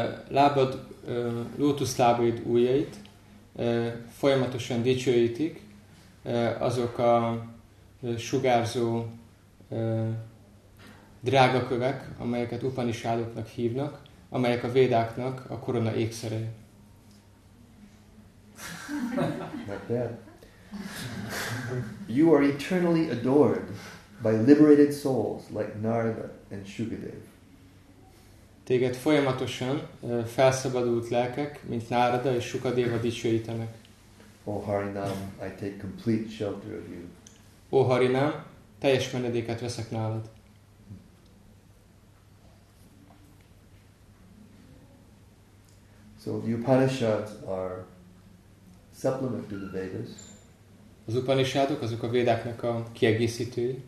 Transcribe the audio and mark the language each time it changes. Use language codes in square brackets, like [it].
[hu] Lábad, lótuszlábaid ujjait folyamatosan dicsőítik azok a sugárzó drágakövek, amelyeket Upanishadoknak hívnak, amelyek a védáknak a korona ékszere. [en] You are eternally adored by liberated souls like Narada and Shukadev. [hu] Téged folyamatosan felszabadult lelkek, mint Narada és Shukadeva dicsőítenek. [en] O Harinam, I take complete shelter of you. [hu] O Harinam, teljes menedéket veszek nálad. [en] So the Upanishads are supplement to the Vedas. [hu] Az Upanishadok azok a védáknak a kiegészítői.